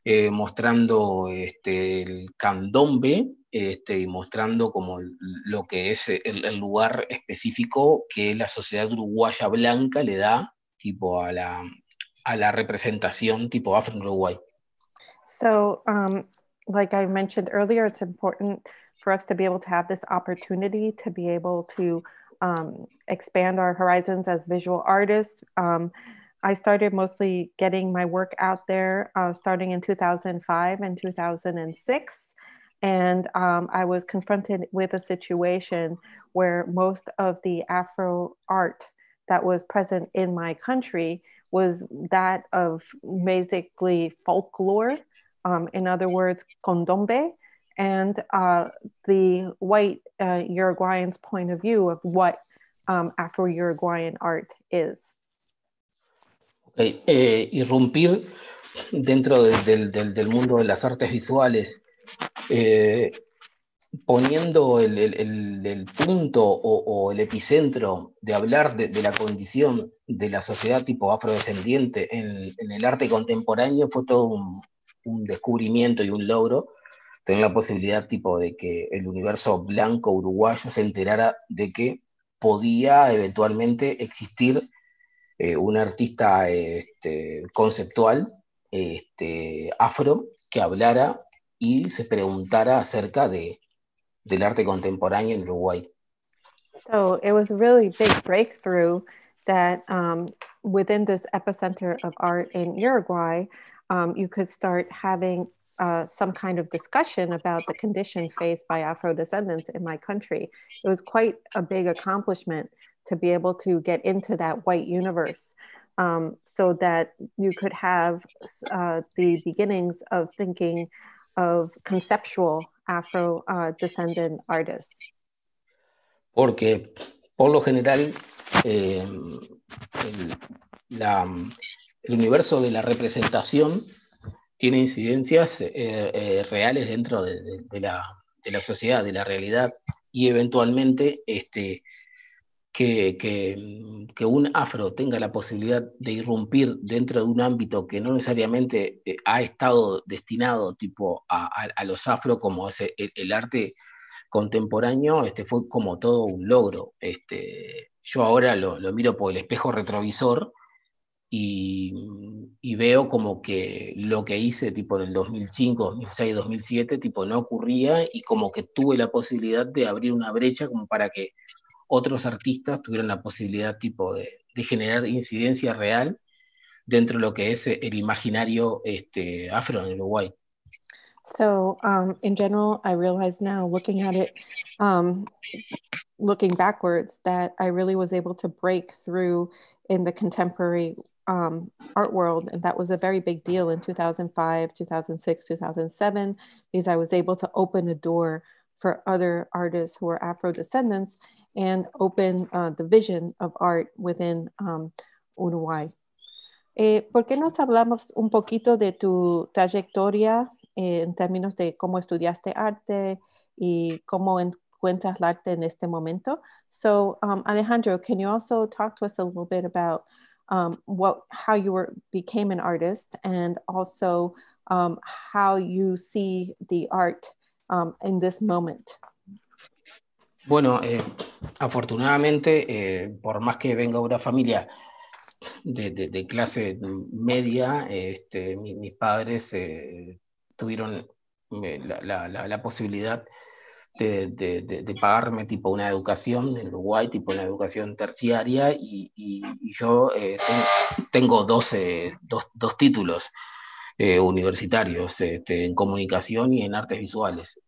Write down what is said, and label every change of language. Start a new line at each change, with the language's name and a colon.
Spanish: mostrando el candombe y mostrando como lo que es el lugar específico que la sociedad uruguaya blanca le da tipo a la representación tipo afro en Uruguay.
English: So, like I mentioned earlier, it's important for us to be able to have this opportunity to be able to expand our horizons as visual artists. I started mostly getting my work out there starting in 2005 and 2006. And I was confronted with a situation where most of the Afro art that was present in my country was that of basically folklore, in other words, condombe, and the white Uruguayan's point of view of what Afro-Uruguayan art is. Okay.
Spanish: Irrumpir dentro del mundo de las artes visuales, poniendo el punto o el epicentro de hablar de la condición de la sociedad tipo afrodescendiente en el arte contemporáneo, fue todo un descubrimiento y un logro tener la posibilidad tipo de que el universo blanco uruguayo se enterara de que podía eventualmente existir un artista conceptual afro que hablara y se preguntara acerca del arte contemporáneo en Uruguay.
English: So it was a really big breakthrough that within this epicenter of art in Uruguay, you could start having some kind of discussion about the condition faced by Afro descendants in my country. It was quite a big accomplishment to be able to get into that white universe, so that you could have the beginnings of thinking of conceptual Afro descendant artists.
Spanish: Porque por lo general el universo de la representación tiene incidencias reales dentro de la sociedad, de la realidad, y eventualmente que un afro tenga la posibilidad de irrumpir dentro de un ámbito que no necesariamente ha estado destinado tipo a los afro, como es el arte contemporáneo, fue como todo un logro. Yo ahora lo miro por el espejo retrovisor y veo como que lo que hice tipo en el 2005, 2006, 2007 tipo no ocurría, y como que tuve la posibilidad de abrir una brecha como para que otros artistas tuvieran la posibilidad tipo de generar incidencia real dentro de lo que es el imaginario afro en Uruguay.
English: So, in general, I realize now looking at it, looking backwards, that I really was able to break through in the contemporary art world, and that was a very big deal in 2005, 2006, 2007, because I was able to open a door for other artists who are Afro descendants and open the vision of art within Uruguay.
Spanish: ¿Por qué nos hablamos un poquito de tu trayectoria en términos de cómo estudiaste arte y cómo encuentras el arte en este momento?
English: So Alejandro, can you also talk to us a little bit about how you became an artist, and also how you see the art in this moment?
Spanish: Bueno, afortunadamente, por más que venga una familia de clase media, mis padres tuvieron la posibilidad de pagarme tipo una educación en Uruguay, tipo una educación terciaria, y yo tengo dos títulos universitarios en comunicación y en artes visuales.